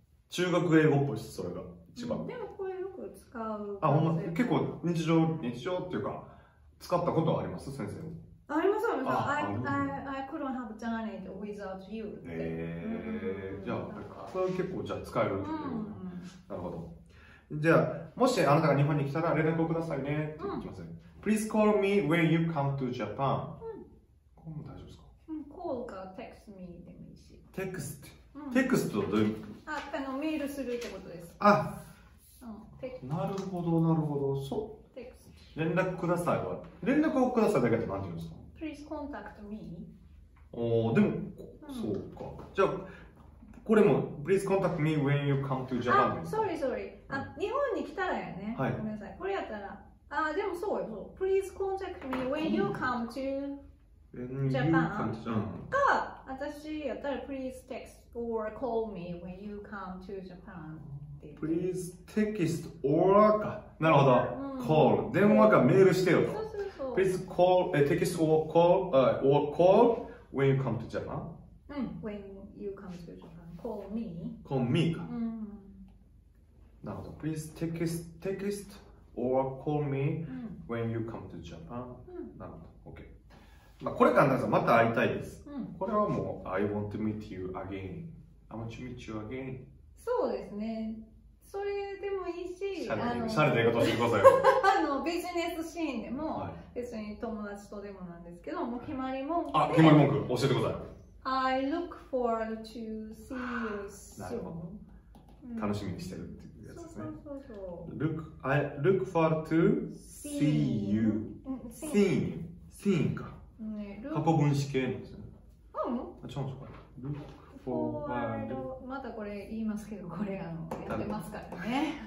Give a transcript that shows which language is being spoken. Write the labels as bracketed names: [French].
[Japanese] 中学英語っぽいです、それが一番。でもこれよく使う。あ、ほんま、結構日常っていうか、使ったことはあります、先生。ありますよ、 [English] I couldn't have done it without you。 [Japanese] じゃあ、これ結構じゃあ使えるっていう。なるほど。じゃあ、もしあなたが日本に来たら連絡をくださいねって言ってます。 [English] Please call me when you come to Japan。 [Japanese] 大丈夫ですか？コールかテクストでもいいし。テクスト、テクストはどういう？メールするってことです。あ、テクスト。なるほどなるほど、そう。テクスト。連絡くださいは、連絡をくださいだけって何て言うんですか [English] ？Please contact me。 [Japanese] おお、でも、そうか。じゃあこれも [English] Please contact me when you come to Japan。 [Japanese] あ、sorry。あ、日本に来たらやね。はい。ごめんなさい。これやったら、あ、でもそうよ。 [English] Please contact me when you come to。 Japan [Japanese] か、私やったら [English] Please text or call me when you come to Japan。 Please text or [Japanese] か、なるほど、call、電話かメールしてよと。そうそうそう、 [English] Please call、text or call、or call when you come to Japan。 When you come to Japan call me、 call me か、 [Japanese] なるほど、 [English] Please text or call me、when you come to Japan、 [Japanese] なるほど、 [English] OK。 [Japanese] まあ、これからなんですよ、また会いたいです、これはもう [English] I want to meet you again、 [Japanese] I want to meet you again。そうですね、それでもいいし、シャレで言うことしてくださいよ。ビジネスシーンでも、別に友達とでもなんですけど、もう決まり文句で、あ、決まり文句教えてください。 [English] I look forward to see you soon。 [Japanese] なるほど、楽しみにしてるっていうやつですね。そうそうそうそう。 [English] Look for to see you. Seeing. Seeing か。 [Japanese] 過去分詞形なんですよね。うん。あ、違うんですか。Look [English] for to。 [Japanese] またこれ言いますけど、これあのやってますからね。